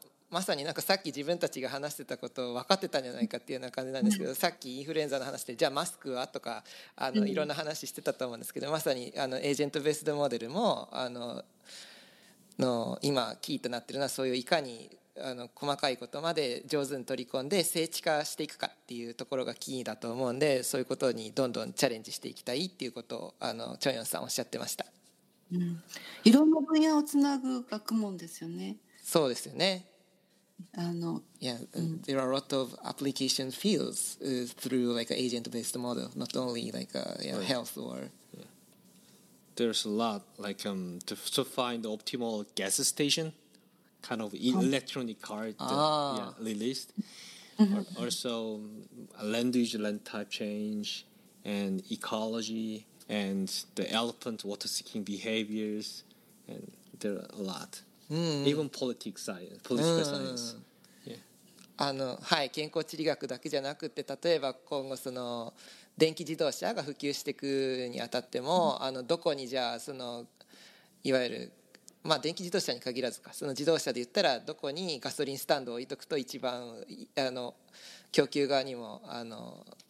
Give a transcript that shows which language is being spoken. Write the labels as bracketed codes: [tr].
[ja] まさになんかさっき自分たちが話してたことを分かってたんじゃないかっていうような感じなんですけど、さっきインフルエンザの話でじゃあマスクはとかあのいろんな話してたと思うんですけど、まさにあのエージェントベースドモデルもあのの今キーとなってるのはそういういかにあの細かいことまで上手に取り込んで精緻化していくかっていうところがキーだと思うんで、そういうことにどんどんチャレンジしていきたいっていうことをあのチョンヨンさんおっしゃってました、うん、いろんな分野をつなぐ学問ですよね。そうですよね。 [en] No. Yeah, there are a lot of application fields through like an agent-based model, not only like health or. There's a lot like to find the optimal gas station, kind of electronic card released. Also, land use, land type change, and ecology, and the elephant water-seeking behaviors, and there are a lot. Even politics science, political science. [ja] あの、はい、健康地理学だけじゃなくて、例えば今後その電気自動車が普及していくにあたっても、うん、あのどこにじゃあそのいわゆる、まあ、電気自動車に限らずか、その自動車で言ったらどこにガソリンスタンドを置いとくと一番あの供給側にもあの